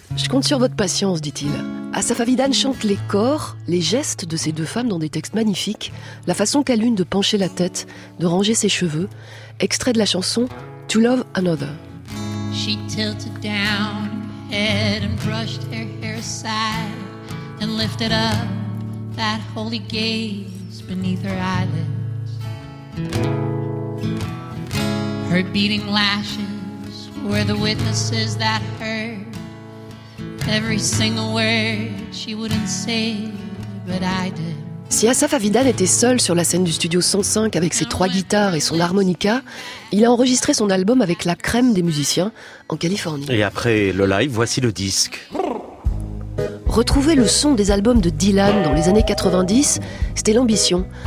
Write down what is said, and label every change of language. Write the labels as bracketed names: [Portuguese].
[French] Je compte sur votre patience, dit-il. Asaf Avidan chante les corps, les gestes de ces deux femmes dans des textes magnifiques, la façon qu'a l'une de pencher la tête, de ranger ses cheveux, extrait de la chanson « To Love Another ». [English] She tilted down her head and brushed her hair aside and lifted up that holy gaze beneath her eyelids. Her beating lashes were the witnesses that heard every single word she wouldn't say, but I did. [French] Si Asaf Avidan était seul sur la scène du studio 105 avec ses trois guitares et son harmonica, il a enregistré son album avec la crème des musiciens en Californie. Et après le live, voici le disque. Retrouver le son des albums de Dylan dans les années 90, c'était l'ambition.